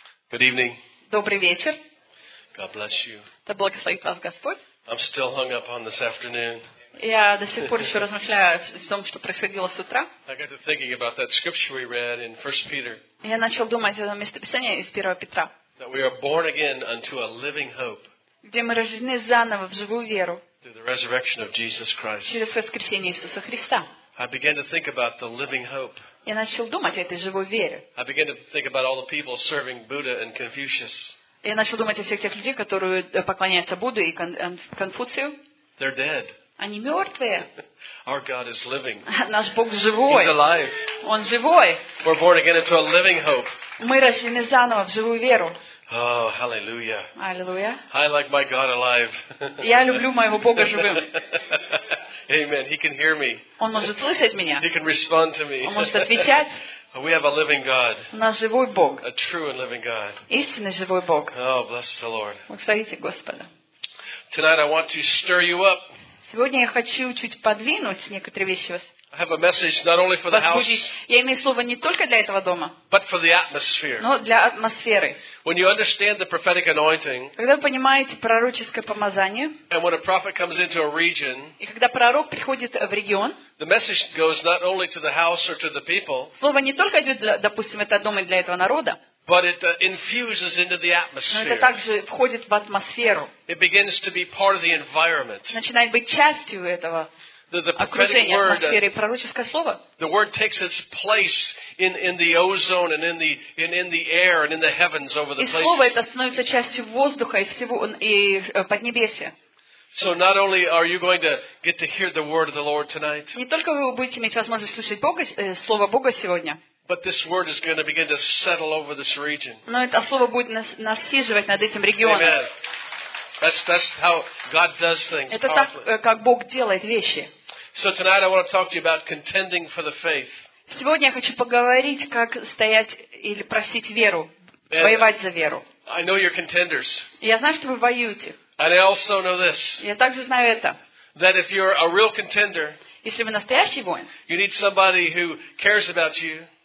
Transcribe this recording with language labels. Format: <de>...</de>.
<en>Good evening.</en> <ru>Добрый вечер.</ru> <en>God bless you.</en> <ru>Да благословит вас Господь.</ru> <en>I'm still hung up on this afternoon.</en> <ru>Я до сих пор еще размышляю о том, что происходило с утра.</ru> <en>I got to thinking about that scripture we read in 1 Peter.</en> <ru>Я начал думать о этом местописании из 1 Петра.</ru> <en>That we are born again unto a living hope.</en> <ru>Где мы рождены заново в живую веру.</ru> <en>Through the resurrection of Jesus Christ.</en> <ru>Через воскресение Иисуса Христа.</ru> <en>I began to think about the living hope.</en> <ru>Я начал думать о этой живой вере.</ru> <en>I began to think about all the people serving Buddha and Confucius.</en> <ru>Я начал думать о всех тех людей, которые поклоняются Будде и Конфуцию.</ru> <en>They're dead.</en> <ru>Они мертвые.</ru> <en>Our God is living.</en> <ru>Наш Бог живой.</ru> <en>He's alive.</en> <ru>Он живой.</ru> <en>We're born again into a living hope.</en> <ru>Мы рождены заново в живую веру.</ru> <en>Oh, hallelujah.</en> <ru>Hallelujah.</ru> <en>I like my God alive.</en> <ru>Я люблю моего Бога живым.</ru> <en>Amen. He can hear me.</en> <ru>Он может слышать меня.</ru> <en>He can respond to me.</en> <ru>Он может отвечать.</ru> <en>We have a living God.</en> <ru>У нас живой Бог.</ru> <en>A true and living God.</en> <ru>Истинный живой Бог.</ru> <en>Oh, bless the Lord.</en> <ru>Благословите Господа.</ru> <en>Tonight I want to stir you up.</en> <ru>Сегодня я хочу чуть подвинуть некоторые вещи вас.</ru> <en>I have a message not only for the house.</en> <ru>Я имею слово не только для этого дома.</ru> <en>But for the atmosphere.</en> <ru>Но для атмосферы.</ru> <en>When you understand the prophetic anointing.</en> <ru>Когда вы понимаете пророческое помазание.</ru> <en>And when a prophet comes into a region.</en> <ru>И когда пророк приходит в регион.</ru> <en>The message goes not only to the house or to the people.</en> <ru>Слово не только идет, допустим, это дом и для этого народа.</ru> <en>But it infuses into the atmosphere.</en> <ru>Но это также входит в атмосферу.</ru> <en>It begins to be part of the environment.</en> <ru>Начинает быть частью этого.</ru> <en>The prophetic word, the word takes its place in the ozone and in the air and in the heavens over the place.</en> <ru>И слово это становится частью воздуха и всего и поднебесья.</ru> <en>So not only are you going to get to hear the word of the Lord tonight.</en> <ru>Не только вы будете иметь возможность слышать Бога, слово Бога сегодня.</ru> <en>But this word is going to begin to settle over this region.</en> <ru>Но это слово будет насиживать над этим регионом.</ru> <en>Amen. That's how God does things.</en> <ru>Это так, как Бог делает вещи.</ru> <en>So tonight I want to talk to you about contending for the faith.</en> <ru>Сегодня я хочу поговорить, как стоять или просить веру, воевать за веру.</ru> <en>I know you're contenders.</en> <ru>Я знаю, что вы воюете.</ru> <en>And I also know this.</en> <ru>Я также знаю это.</ru> <en>That if you're a real contender,</en> <ru>если вы настоящий воин,</ru> <en>you need somebody who cares about you.</en>